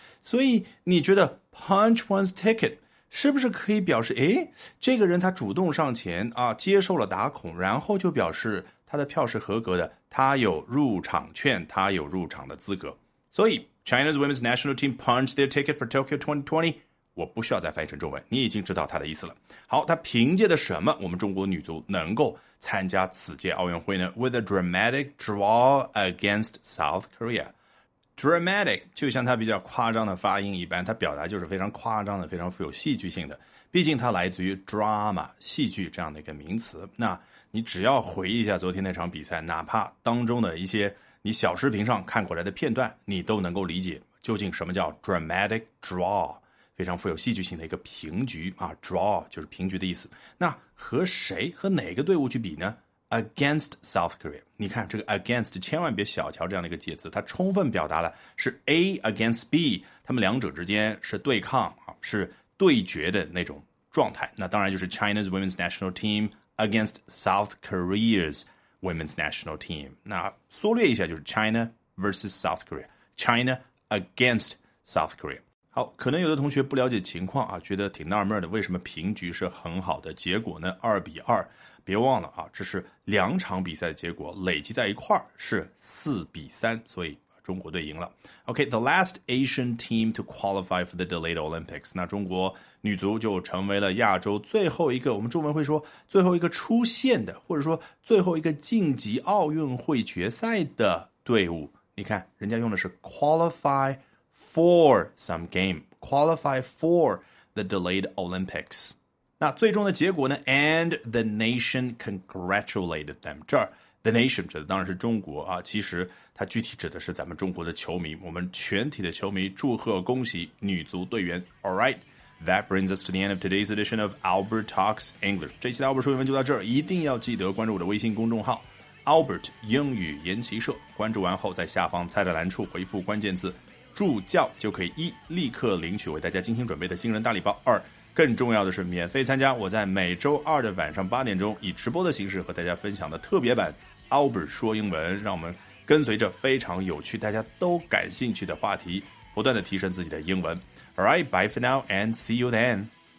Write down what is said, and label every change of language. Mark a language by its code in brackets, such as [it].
[zh] 所以你觉得 [en] punch one's ticket [zh] 是不是可以表示诶这个人他主动上前啊接受了打孔，然后就表示他的票是合格的，他有入场券，他有入场的资格。所以 [en] China's women's national team punched their ticket for Tokyo 2020， [zh] 我不需要再翻译成中文，你已经知道他的意思了。好，他凭借的什么我们中国女足能够参加此届奥运会呢？ [en] With a dramatic draw against South Korea。 [zh] Dramatic 就像他比较夸张的发音一般，他表达就是非常夸张的，非常富有戏剧性的，毕竟它来自于 drama 戏剧这样的一个名词。那你只要回忆一下昨天那场比赛，哪怕当中的一些你小视频上看过来的片段，你都能够理解究竟什么叫 [en] dramatic draw， [zh] 非常富有戏剧性的一个平局啊 ，draw 就是平局的意思。那和谁和哪个队伍去比呢 ？ [en] Against South Korea。 [zh] 你看这个 against， 千万别小瞧这样的一个介词，它充分表达了是 [en] A against B， [zh] 他们两者之间是对抗啊，是对决的那种状态。那当然就是 [en] China's women's national team against South Korea's women's national team。 [zh] 那缩略一下就是 [en] China versus South Korea，China against South Korea。 [zh] 好，可能有的同学不了解情况啊，觉得挺纳闷的，为什么平局是很好的结果呢？二比二，别忘了啊，这是两场比赛的结果累积在一块是四比三，所以中国队赢了。 [en] OK, the last Asian team to qualify for the delayed Olympics。 [zh] 那中国女足就成为了亚洲最后一个，我们中文会说最后一个出现的，或者说最后一个晋级奥运会决赛的队伍。你看人家用的是 [en] qualifyFor some game, qualify for the delayed Olympics. [zh] 那最终的结果呢？ [en] And the nation congratulated them. [zh] 这儿 [en] The nation [zh] 指的当然是中国啊，其实它具体指的是咱们中国的球迷，我们全体的球迷祝贺恭喜女足队员。 [en] Alright, that brings us to the end of today's edition of Albert Talks English. [zh] 这期的 Albert 说英文就到这儿，一定要记得关注我的微信公众号 Albert 英语研习社，关注完后在下方菜单栏处回复关键字助教，就可以一立刻领取为大家精心准备的新人大礼包，二更重要的是免费参加我在每周二的晚上八点钟以直播的形式和大家分享的特别版 Albert 说英文，让我们跟随着非常有趣大家都感兴趣的话题不断的提升自己的英文。 [en] Alright, bye for now and see you then.